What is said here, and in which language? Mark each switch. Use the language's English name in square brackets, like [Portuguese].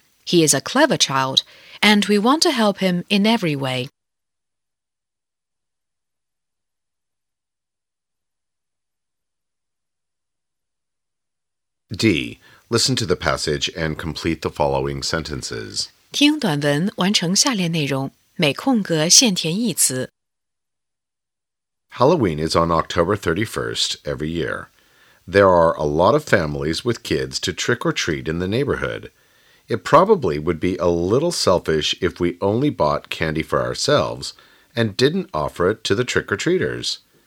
[English] He is a clever child, and we want to help him in every way. D. Listen to the passage and complete the following sentences. [Chinese] 听短文，完成下列内容，每空格限填一词。 [English] Halloween is on October 31st every year. There are a lot of families with kids to trick or treat in the neighborhood. It probably would be a little selfish if we only bought candy for ourselves and didn't offer it to the trick-or-treaters.